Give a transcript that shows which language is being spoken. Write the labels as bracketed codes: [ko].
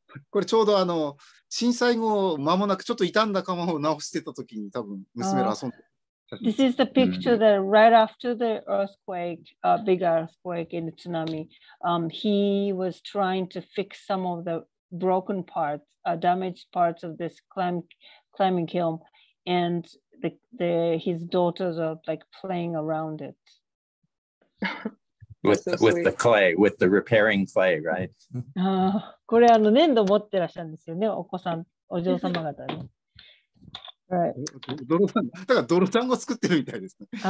[ja] これちょうどあの震災後間もなくちょっと傷んだ窯を直してた時に多分娘ら遊んで。 [en] This is the picture that right after the earthquake, big earthquake in the tsunami, he was trying to fix some of the broken parts, damaged parts of this climbing kiln. And his daughters are like playing around it. with the clay, with the repairing clay, right? [ja] これあの粘土持ってらっしゃるんですよね、お子さん、お嬢様方ね。だから泥団子作ってるみたいですね。